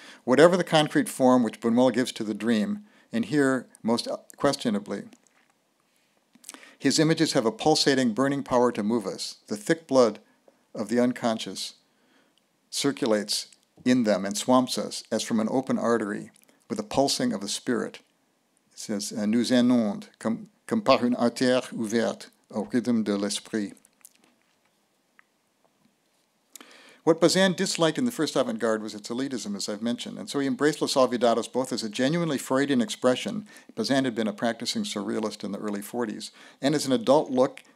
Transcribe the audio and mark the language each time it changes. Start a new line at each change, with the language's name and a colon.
English: Whatever the concrete form which Buñuel gives to the dream, and here, most questionably, his images have a pulsating, burning power to move us. The thick blood of the unconscious circulates in them and swamps us as from an open artery with a pulsing of the spirit. It says,
French: nous inonde comme par une artère ouverte au rythme de l'esprit.
English: What Bazin disliked in the first avant-garde was its elitism, as I've mentioned, and so he embraced Los Olvidados both as a genuinely Freudian expression — Bazin had been a practicing surrealist in the early 40s — and as an adult look